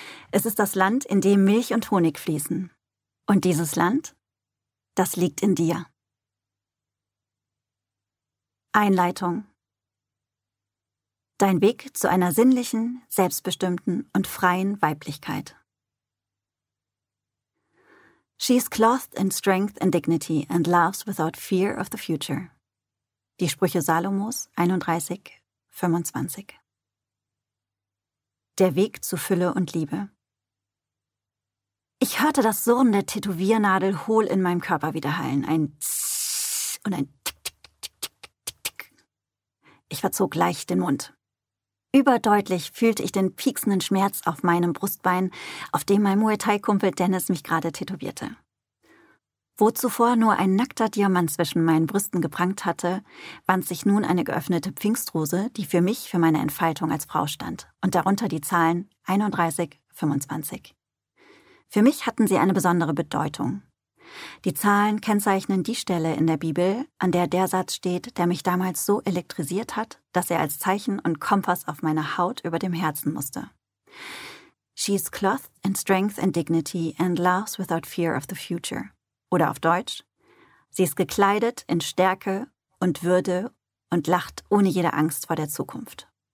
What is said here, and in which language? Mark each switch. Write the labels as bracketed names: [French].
[German] Es ist das Land, in dem Milch und Honig fließen. Und dieses Land, das liegt in dir. Einleitung. Dein Weg zu einer sinnlichen, selbstbestimmten und freien Weiblichkeit. [English] She is clothed in strength and dignity and loves without fear of the future. [German] Die Sprüche Salomos 31, 25. Der Weg zu Fülle und Liebe. Ich hörte das Surren der Tätowiernadel hohl in meinem Körper widerhallen. Ein Zsch und ein Tick, Tick, Tick, Tick, Tick, Tick. Ich verzog leicht den Mund. Überdeutlich fühlte ich den pieksenden Schmerz auf meinem Brustbein, auf dem mein Muay Thai-Kumpel Dennis mich gerade tätowierte. Wo zuvor nur ein nackter Diamant zwischen meinen Brüsten geprangt hatte, wand sich nun eine geöffnete Pfingstrose, die für mich für meine Entfaltung als Frau stand, und darunter die Zahlen 31, 25. Für mich hatten sie eine besondere Bedeutung. Die Zahlen kennzeichnen die Stelle in der Bibel, an der der Satz steht, der mich damals so elektrisiert hat, dass er als Zeichen und Kompass auf meiner Haut über dem Herzen musste. [English] She is clothed in strength and dignity and laughs without fear of the future. [German] Oder auf Deutsch, sie ist gekleidet in Stärke und Würde und lacht ohne jede Angst vor der Zukunft.